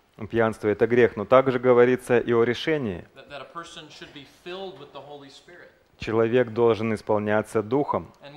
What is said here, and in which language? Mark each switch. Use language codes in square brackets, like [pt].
[ru] Пьянство – это грех, но также говорится и о решении. [en] That a person should be filled with the Holy Spirit. [ru] человек должен исполняться Духом.